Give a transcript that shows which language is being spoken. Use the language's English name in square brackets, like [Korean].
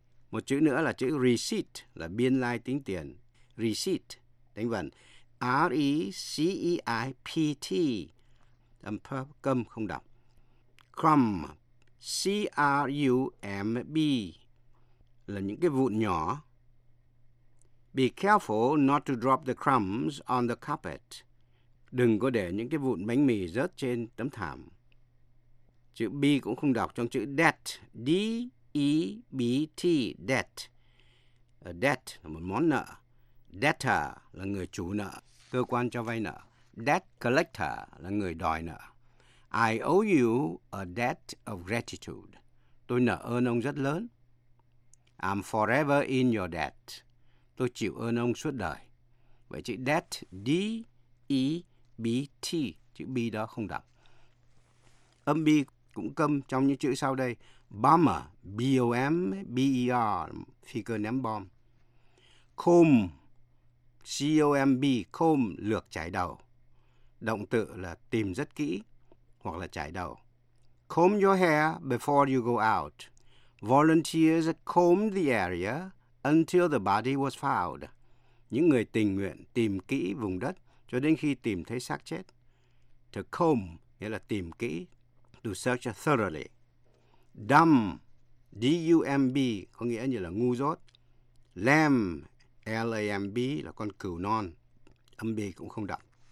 [Vietnamese] Một chữ nữa là chữ receipt là biên lai tính tiền. Receipt, đánh vần R-E-C-E-I-P-T, âm P câm không đọc. Crumb, C-R-U-M-B, là những cái vụn nhỏ. [English] Be careful not to drop the crumbs on the carpet. [Vietnamese] Đừng có để những cái vụn bánh mì rớt trên tấm thảm. Chữ B cũng không đọc trong chữ debt. D-E-B-T, debt. A debt là một món nợ. Debtor là người chủ nợ, cơ quan cho vay nợ. Debt collector là người đòi nợ. [English] I owe you a debt of gratitude. [Vietnamese] Tôi nợ ơn ông rất lớn. [English] I'm forever in your debt. [Vietnamese] Tôi chịu ơn ông suốt đời. Vậy chữ debt, D-E-B-T, chữ B đó không đọc. Âm B cũng câm trong những chữ sau đây. Bomber, B-O-M-B-E-R, phi cơ ném bom. Comb, C-O-M-B, comb, lược chải đầu. Động từ là tìm rất kỹ hoặc là chải đầu. [English] Comb your hair before you go out. Volunteers combed the area until the body was found. [Vietnamese] Những người tình nguyện tìm kỹ vùng đất cho đến khi tìm thấy xác chết. To comb nghĩa là tìm kỹ. [English] To search thoroughly. [Vietnamese] Dumb, D-U-M-B, có nghĩa như là ngu dốt. Lamb, L-A-M-B, là con cừu non. Âm B cũng không đọc.